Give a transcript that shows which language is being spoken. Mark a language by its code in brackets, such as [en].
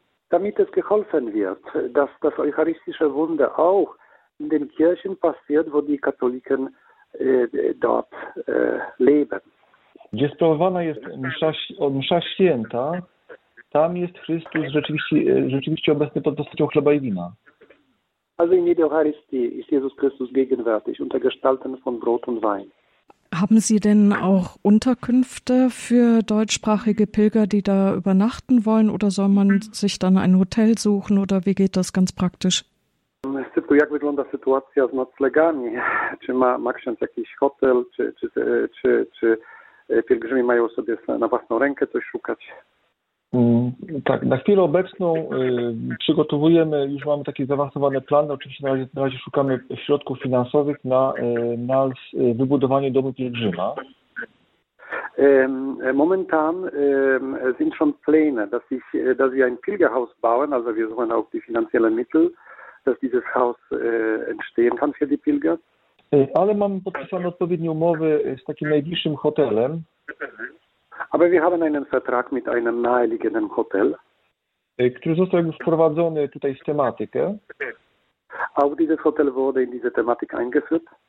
[de] Damit es geholfen wird, dass das eucharistische Wunder auch in den Kirchen passiert, wo die Katholiken dort leben. [pl] Gdzie sprawowana jest msza święta, tam jest Chrystus rzeczywiście obecny pod postacią chleba i wina. [de] Also in der Eucharistie ist Jesus Christus gegenwärtig unter Gestalten von Brot und Wein. Haben Sie denn auch Unterkünfte für deutschsprachige Pilger, die da übernachten wollen? Oder soll man sich dann ein Hotel suchen? Oder wie geht das ganz praktisch? [pl] Jak wygląda sytuacja z noclegami? Czy ma ksiądz jakiś hotel? Czy pielgrzymi mają sobie na własną rękę coś szukać? Tak, na chwilę obecną przygotowujemy, już mamy takie zaawansowane plany, oczywiście na razie szukamy środków finansowych na wybudowanie domu pielgrzyma. [de] Momentan sind schon Pläne, dass wir ein Pilgerhaus bauen, also wir suchen auch die finanziellen Mittel, dass dieses Haus entstehen kann für die Pilger. [pl] Ale mamy podpisane odpowiednie umowy z takim najbliższym hotelem. [de] Aber wir haben einen Vertrag mit einem naheliegenden Hotel. [pl] Który został już wprowadzony tutaj w tematykę. [de] Auch dieses Hotel wurde in diese Thematik eingeführt.